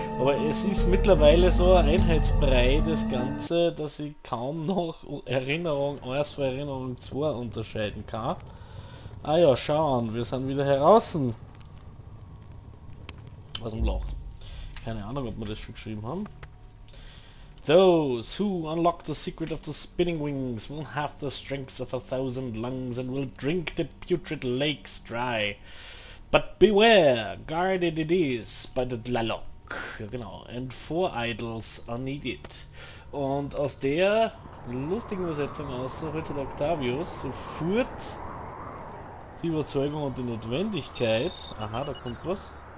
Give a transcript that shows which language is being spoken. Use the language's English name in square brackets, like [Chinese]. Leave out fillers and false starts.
[German] Aber es ist mittlerweile so ein Einheitsbrei, das Ganze, dass ich kaum noch Erinnerung 1 vor Erinnerung 2 unterscheiden kann. Ah ja, schauen, wir sind wieder heraußen. Aus dem Loch. Keine Ahnung, ob wir das schon geschrieben haben. [English] Those who unlock the secret of the spinning wings will have the strength of 1,000 lungs and will drink the putrid lakes dry. But beware, guarded it is by the Tlaloc. [German] Ja, genau. [English] And four idols are needed. [German] Und aus der lustigen Übersetzung aus Ritter Octavius führt die Überzeugung und die Notwendigkeit. Aha, da kommt was.